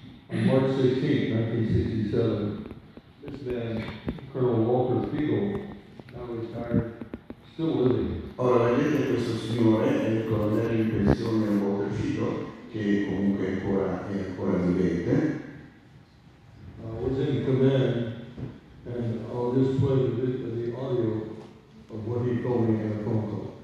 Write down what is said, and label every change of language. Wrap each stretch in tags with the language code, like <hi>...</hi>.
<en>On March 16, 1967, this man, Colonel Walter Fiegel, now retired, still living.</en> <it>Ora vedete questo signore, è il colonnello in pensione Walter Fiegel, che comunque è ancora vivente.</it> <en>Was in command. And I'll just play a bit of the audio of what he told me in a phone call.</en>